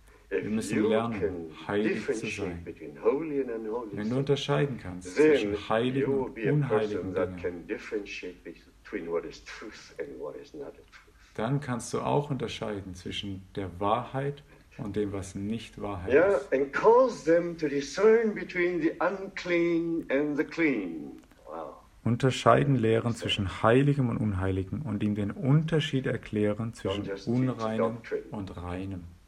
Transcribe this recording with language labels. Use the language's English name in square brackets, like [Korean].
[German] Wir müssen lernen, heilig zu sein. Wenn du unterscheiden kannst zwischen heiligen und unheiligen Dingen, dann kannst du auch unterscheiden zwischen der Wahrheit und dem, was nicht Wahrheit ist. [English] Yeah, and cause them to discern between the unclean and the clean. Wow. [German] Unterscheiden lehren zwischen Heiligem und Unheiligem und ihm den Unterschied erklären zwischen Unreinem und Reinem.